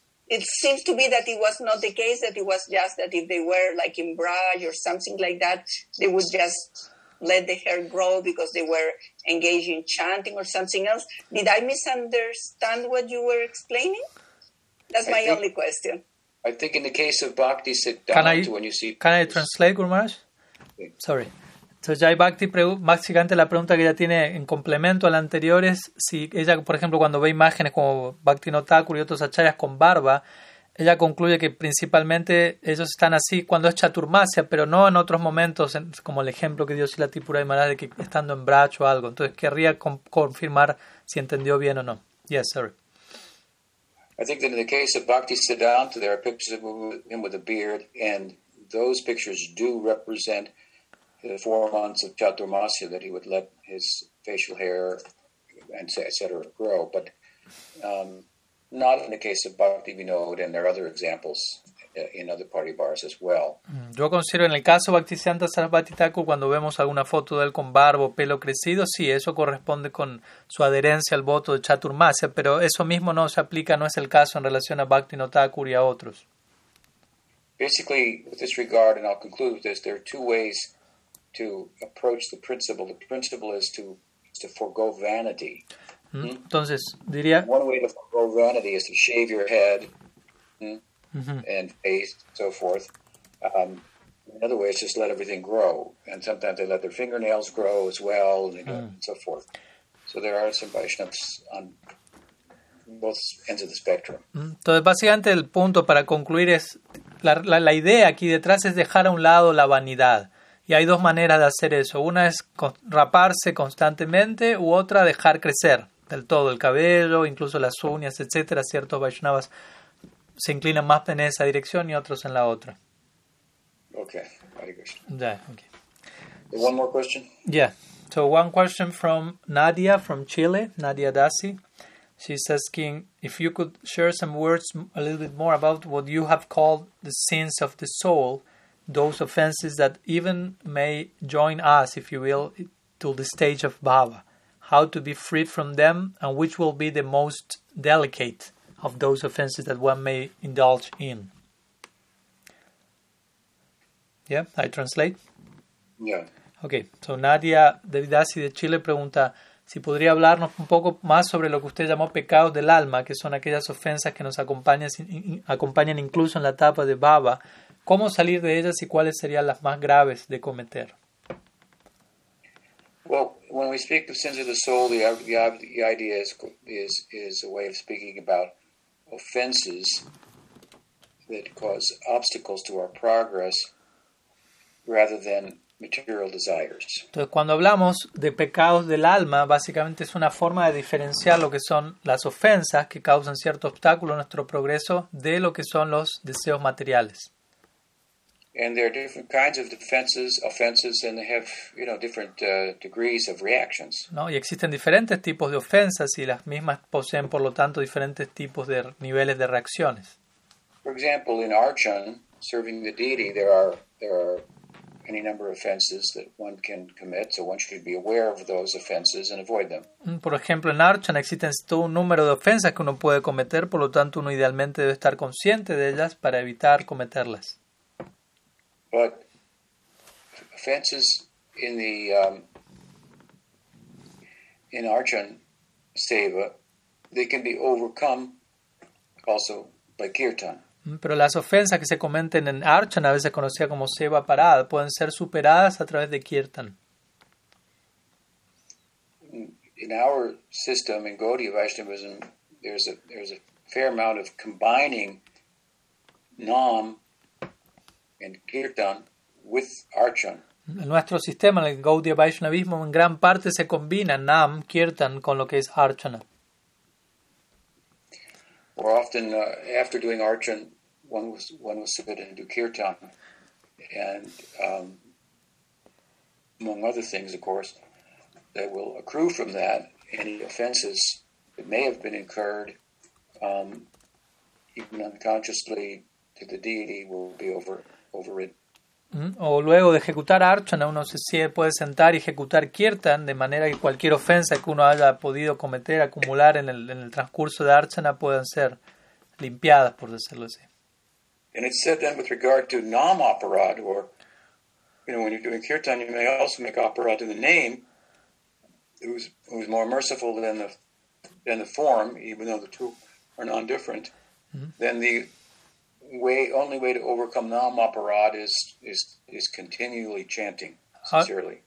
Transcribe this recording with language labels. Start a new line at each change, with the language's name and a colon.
English: It seems to be that it was not the case, that it was just that if they were like in Braj or something like that, they would just let the hair grow because they were engaged in chanting or something else. Did I misunderstand what you were explaining? That's my only question. I think in the case of Bhakti Siddhanta, when you see... Can I translate, Guru Maharaj? Sorry.
Spanish: So Jai Bhakti, básicamente la pregunta que ella tiene en complemento a la anterior es si ella, por ejemplo, cuando ve imágenes como Bhakti Notakur y otros acharyas con barba, ella concluye que principalmente ellos están así cuando es Chaturmasya, pero no en otros momentos, como el ejemplo que dio Srila Tripura y Maharaj de que estando en Braj o algo. Entonces querría confirmar si entendió bien o no.
English: Yes, sorry. I think that in the case of Bhakti Siddhanta, there are pictures of him with a beard, and those pictures do represent the 4 months of Chaturmasya that he would let his facial hair and et cetera grow, but not in the case of Bhakti Vinod, and there are other examples in other party bars as well.
Spanish: Yo considero en el caso Bhaktisiddhanta Sarasvati Thakur, cuando vemos alguna foto de él con barbo, pelo crecido, sí, eso corresponde con su adherencia al voto de Chaturmasya, pero eso mismo no se aplica, no es el caso en relación a Bhakti Notakur y a otros.
English: Basically, with this regard, and I'll conclude with this, there are two ways to approach the principle. The principle is to forego vanity.
Spanish: Entonces, diría...
English: One way to forego vanity is to shave your head and face, so forth. Another way is just let everything grow. And sometimes they let their fingernails grow as well, and so forth. So there are some Vaishnavas on both ends of the spectrum.
Spanish: Entonces, básicamente, el punto para concluir es... La idea aquí detrás es dejar a un lado la vanidad. Y hay dos maneras de hacer eso. Una es raparse constantemente, u otra dejar crecer del todo el cabello, incluso las uñas, etc. Ciertos Vaishnavas se inclinan más en esa dirección y otros en la otra.
English: Okay, very good. Yeah, okay. One more question? Yeah. So one question from Nadia from Chile, Nadia Dasi. She's asking if you could share some words a little bit more about what you have called the sins of the soul, those offenses that even may join us, if you will, to the stage of bhava, how to be free from them, and which will be the most delicate of those offenses that one may indulge in. Yeah, I translate? Yeah. Okay, so
Spanish: Nadia Devidasi de Chile pregunta si podría hablarnos un poco más sobre lo que usted llamó pecados del alma, que son aquellas ofensas que nos acompañan incluso en la etapa de bhava. ¿Cómo salir de ellas y cuáles serían las más graves de cometer?
English: Well, when we speak of sins of the soul, the idea is a way of speaking about offenses that cause obstacles to our progress rather than material desires.
Spanish: Entonces, cuando hablamos de pecados del alma, básicamente es una forma de diferenciar lo que son las ofensas que causan cierto obstáculo a nuestro progreso de lo que son los deseos materiales.
English: And there are different kinds of defenses, offenses, and they have, you know, different degrees of reactions.
Spanish: No, y existen diferentes tipos de ofensas y las mismas poseen, por lo tanto, diferentes tipos de niveles de reacciones.
English: For example, in Archon, serving the deity, there are any number of offenses that one can commit, so one should be aware of those offenses and avoid them.
Spanish: Por ejemplo, en Archon existen todo un número de ofensas que uno puede cometer, por lo tanto, uno idealmente debe estar consciente de ellas para evitar cometerlas.
English: But offenses in the in Archon Seva, they can be overcome also by Kirtan.
Spanish: Pero las ofensas que se cometen en Archon, a veces conocida como Seva Parada, pueden ser superadas a través de Kirtan.
English: In our system, in Gaudiya Vaishnavism, there's a fair amount of combining Nam and Kirtan with Archon.
Spanish: En nuestro sistema, en el Gaudiya Vaishnavismo, en gran parte se combina Nam, Kirtan, con lo que es Archana.
English: Or often, after doing Archon, one will sit and do Kirtan. And among other things, of course, that will accrue from that, any offenses that may have been incurred, even unconsciously, to the deity will be overridden.
Spanish: O luego de ejecutar Archana, uno se puede sentar y ejecutar Kirtan, de manera que cualquier ofensa que uno haya podido cometer, acumular en el transcurso de Archana, puedan ser limpiadas, por decirlo así.
English: And it's said then with regard to Nam Aparad, or, you know, when you're doing Kirtan, you may also make Aparad in the name, who's more merciful than the form, even though the two are non-different, then the only way to overcome Nam Aparad is continually chanting, sincerely.